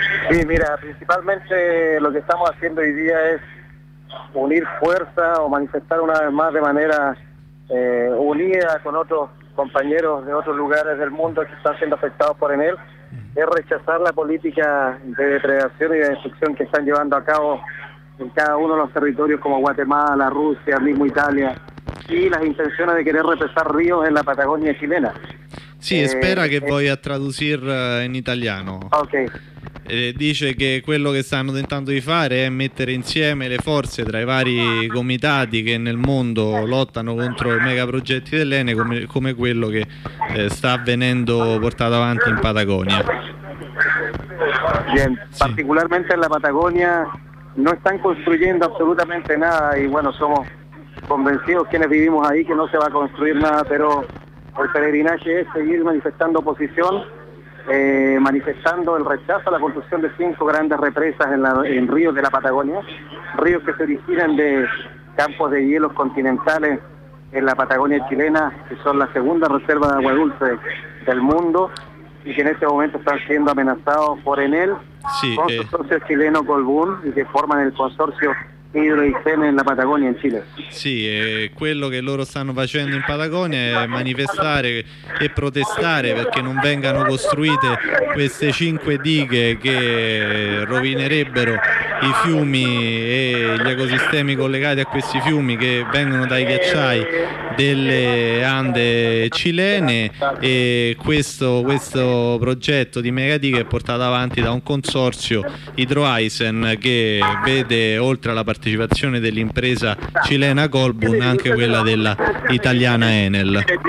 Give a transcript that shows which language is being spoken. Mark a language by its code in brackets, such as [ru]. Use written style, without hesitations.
[es] Sí, mira, principalmente lo que estamos haciendo hoy día es unir fuerzas o manifestar una vez más de manera unida con otros compañeros de otros lugares del mundo que están siendo afectados por Enel, es rechazar la política de depredación y de destrucción que están llevando a cabo en cada uno de los territorios como Guatemala, Rusia, mismo Italia, y las intenciones de querer represar ríos en la Patagonia chilena. Sí, espera que voy a traducir en italiano. Ok. [it] Dice che quello che stanno tentando di fare è mettere insieme le forze tra i vari comitati che nel mondo lottano contro i megaprogetti dell'Enel, come quello che sta venendo portato avanti in Patagonia. Bien, sì. [es] Particularmente en la Patagonia no están construyendo absolutamente nada, y bueno, somos convencidos quienes vivimos ahí que no se va a construir nada, pero el peregrinaje es seguir manifestando oposición. Manifestando el rechazo a la construcción de 5 grandes represas en ríos de la Patagonia, ríos que se originan de campos de hielos continentales en la Patagonia chilena, que son la segunda reserva de agua dulce del mundo y que en este momento están siendo amenazados por Enel, sí, con su socio chileno Colbún, y que forman el consorcio Hidroicene en la Patagonia, en Chile. [it] Sí, quello che loro stanno facendo in Patagonia è manifestare e protestare perché non vengano costruite queste 5 dighe che rovinerebbero i fiumi e gli ecosistemi collegati a questi fiumi che vengono dai ghiacciai delle Ande cilene, e questo progetto di megadiga è portato avanti da un consorzio Hydroisen che vede, oltre alla partecipazione dell'impresa cilena Colbun, anche quella della italiana Enel.